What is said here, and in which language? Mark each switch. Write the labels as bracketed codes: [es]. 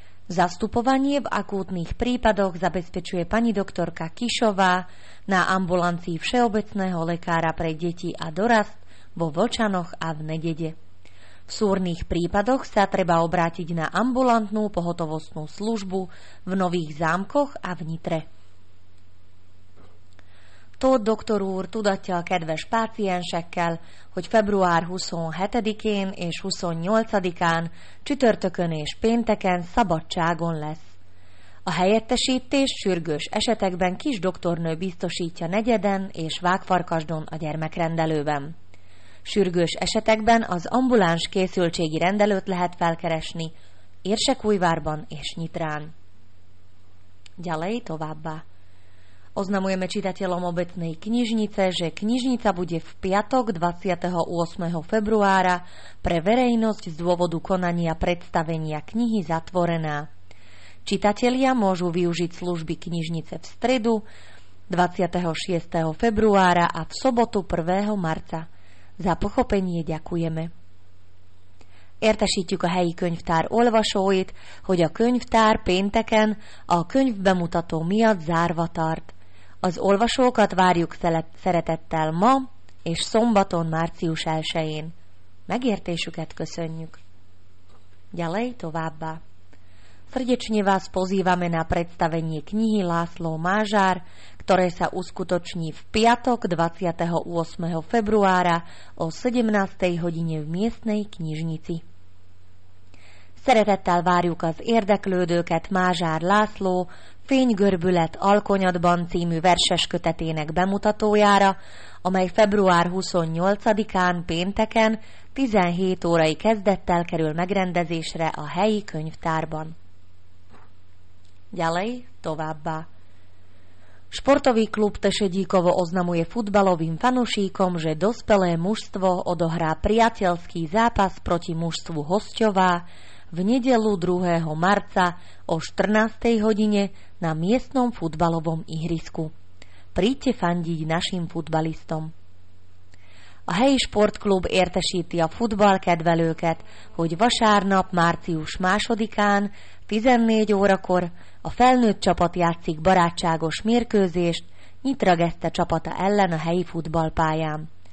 [sk] Zastupovanie v akútnych prípadoch zabezpečuje pani doktorka Kišová na ambulancii Všeobecného lekára pre deti a dorast vo Vlčanoch a v Nedede. V súrnych prípadoch sa treba obrátiť na ambulantnú pohotovostnú službu v Nových Zámkoch a v Nitre. [hu] Tóth doktor úr tudatja kedves páciensekkel, hogy február 27-én és 28-án, csütörtökön és pénteken szabadságon lesz. A helyettesítés sürgős esetekben kis doktornő biztosítja Negyeden és Vágfarkasdon a gyermekrendelőben. Sürgős esetekben az ambuláns készültségi rendelőt lehet felkeresni Érsekújvárban és Nyitrán. Gyalej továbbá. [sk] Oznamujeme čitateľom obecnej knižnice, že knižnica bude v piatok 28. februára pre verejnosť z dôvodu konania predstavenia knihy zatvorená. Čitatelia môžu využiť služby knižnice v stredu 26. februára a v sobotu 1. marca. Za pochopenie ďakujeme. [hu] Értesítjük a helyi könyvtár olvasóit, hogy a könyvtár pénteken a könyvbemutató miatt zárva tart. Az olvasókat várjuk szeretettel ma és szombaton március 1-én. Megértésüket köszönjük. [sk] Ďalej [hu] továbbá. [sk] Srdečne vás pozývame na predstavenie knihy László Mázsár, ktoré sa uskutoční v piatok 28. februára o 17. hodine v miestnej knižnici. [hu] Szeretettel várjuk az érdeklődőket Mázsár László Fénygörbület Alkonyatban című verses kötetének bemutatójára, amely február 28-án pénteken 17 órai kezdettel kerül megrendezésre a helyi könyvtárban. [sk] Ďalej [hu] továbbá. [sk] Sportový klub Tešedíkovo oznamuje futbalovým fanušíkom, že dospelé mužstvo odohrá priateľský zápas proti mužstvu Hosťová v nedeľu 2. marca o 14. hodine na miestnom futbalovom ihrisku. Príďte fandiť našim futbalistom. [hu] A helyi športklub értesíti a futballkedvelőket, hogy vasárnap március 2-án 14 órakor a felnőtt csapat játszik barátságos mérkőzést Nyitrageszte csapata ellen a helyi futballpályán.